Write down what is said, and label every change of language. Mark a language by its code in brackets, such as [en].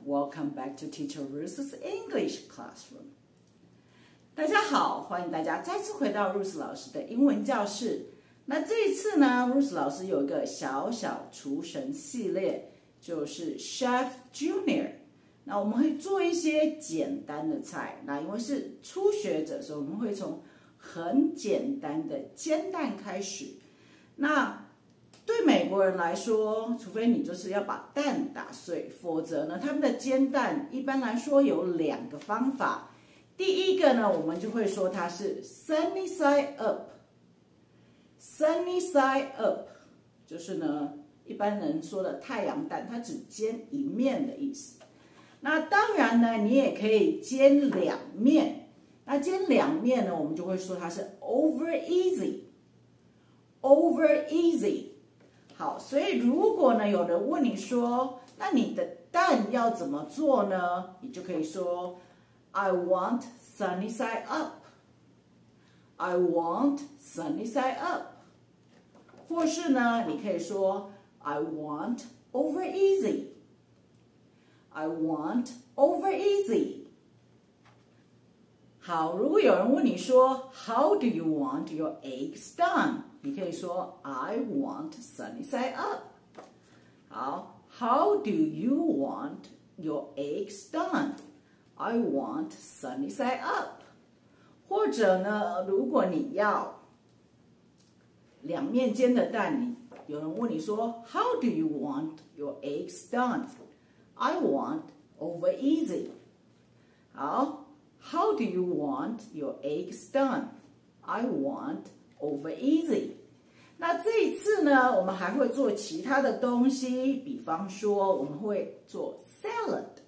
[en] Welcome back to Teacher Ruth's English Classroom. [zh] 大家好，欢迎大家再次回到 Ruth 老师的英文教室。那这一次呢 ，Ruth 老师有一个小小厨神系列，就是 Chef Junior。那我们会做一些简单的菜。那因为是初学者，所以我们会从很简单的煎蛋开始。那对美国人来说，除非你就是要把蛋打碎，否则呢，他们的煎蛋一般来说有两个方法。第一个呢，我们就会说它是 sunny side up， sunny side up 就是呢，一般人说的太阳蛋，它只煎一面的意思。那当然呢，你也可以煎两面。那煎两面呢，我们就会说它是 over easy， over easy。好，所以如果呢，有人问你说，那你的蛋要怎么做呢？你就可以说 [en] ，I want sunny side up， I want sunny side up， [zh] 或是呢，你可以说 [en] ，I want over easy， I want over easy。 [zh] 好，如果有人问你说 [en] ，How do you want your eggs done？ [zh] 你可以说 [en] I want sunny side up。 好 ，How do you want your eggs done? I want sunny side up。 [zh] 或者呢，如果你要两面煎的蛋，有人问你说 [en] How do you want your eggs done? I want over easy。 [zh] 好 [en] ，How do you want your eggs done? I want over easy。 [zh] 那这一次呢，我们还会做其他的东西，比方说我们会做 salad，